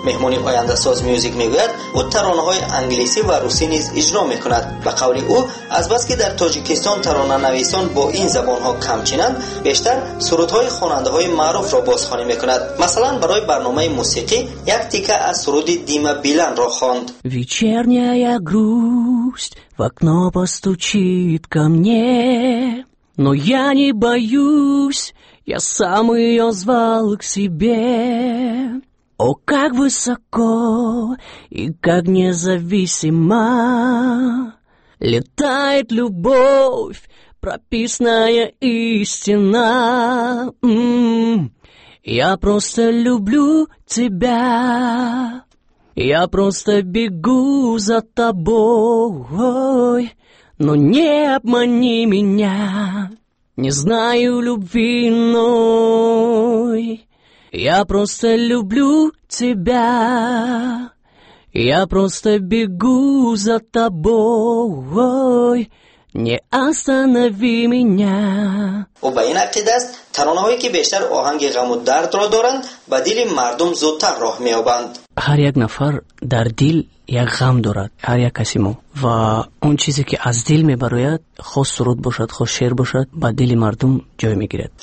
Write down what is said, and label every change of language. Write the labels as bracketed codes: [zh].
[fa] مهمونی آینده ساز میوزیک میگوید او ترانه های انگلیسی و روسی نیز اجرا میکند. به قول او از بس که در تاجیکستان ترانه نویسان با این زبان ها کمچینند بیشتر سرودهای خواننده های معروف را بازخوانی میکند. مثلا برای برنامه موسیقی یک تیکه از سرود دیما بیلان را خواند. [ru] Вечерняя грусть в окно постучит ко мне, но я не боюсь, я сам ее звал к себе. О, как высоко и как независимо летает любовь, прописная истина. Я просто люблю тебя, я просто бегу за тобой. Но не обмани меня, не знаю любви иной. Я просто люблю тебя, я просто бегу за тобой. Не останови меня. [tg] У баин акидаст таронаҳое ки бештар оҳанги ғаму дардро доранд ба дили мардум зудтар роҳ меёбанд. Ҳар як нафар дар дил як ғам дорад, ҳар як каси мо. Ва он чизе ки аз дил мебарояд, хош суруд бошад, хош шеър бошад, ба дили мардум ҷой мегирад.